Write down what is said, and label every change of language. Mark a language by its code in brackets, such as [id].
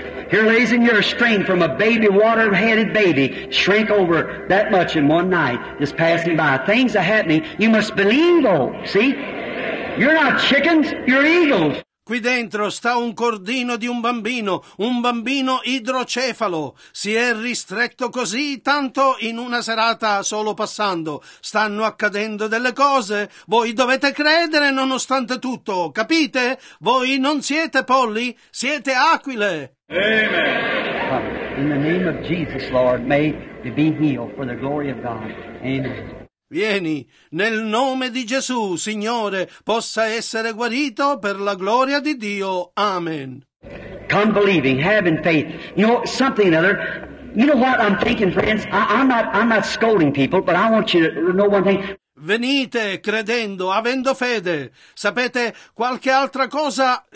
[en] Here lays in your strain from a baby, water-headed baby, shrink over that much in one night, just passing by. Things are happening, you must believe, oh, see? You're not chickens, you're eagles. [it] Qui dentro sta un cordino di un bambino idrocefalo. Si è ristretto così tanto in una serata solo passando. Stanno accadendo delle cose. Voi dovete credere nonostante tutto, capite? Voi non siete polli, siete aquile. Amen. [en] In the name of Jesus, Lord, may you be healed for the glory of God. Amen. [it] Vieni, nel nome di Gesù, Signore, possa essere guarito per la gloria di Dio. Amen. [en] Come believing, having faith. You know, something or other. You know what I'm thinking, friends? I'm not scolding people, but I want you to know one thing. [it] Venite credendo, avendo fede. Sapete qualche altra cosa?